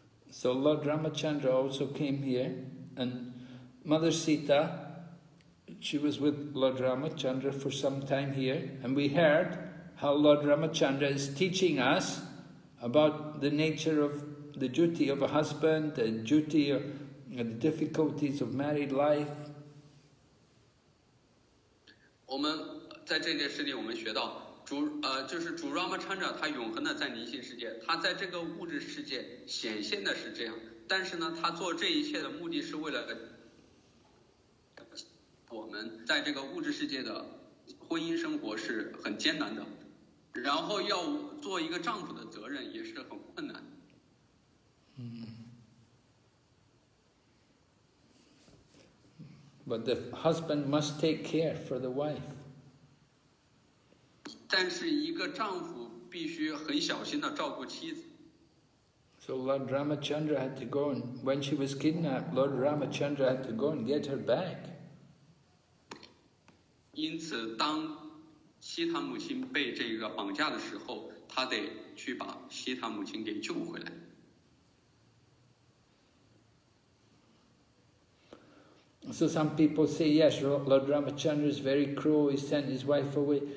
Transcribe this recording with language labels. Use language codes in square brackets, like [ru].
[en] So Lord Ramachandra also came here, and Mother Sita, she was with Lord Ramachandra for some time here, and we heard how Lord Ramachandra is teaching us about the nature of the duty of a husband, the duty of the difficulties of married life. [zh] 我们在这件事里我们学到就是主 Ramachandra 他永恒的在灵性世界，他在这个物质世界显现的是这样，但是呢，他做这一切的目的是为了我们在这个物质世界的婚姻生活是很艰难的，然后要做一个丈夫的责任也是很困难。 [en] But the husband must take care for the wife. [zh] 但是一个丈夫必须很小心地照顾妻子。 [en] So Lord Ramachandra had to go and when she was kidnapped, Lord Ramachandra had to go and get her back. [zh] 因此，当西塔母亲被这个绑架的时候，他得去把西塔母亲给救回来。 [en] So some people say, yes, Lord Ramachandra is very cruel, he sent his wife away.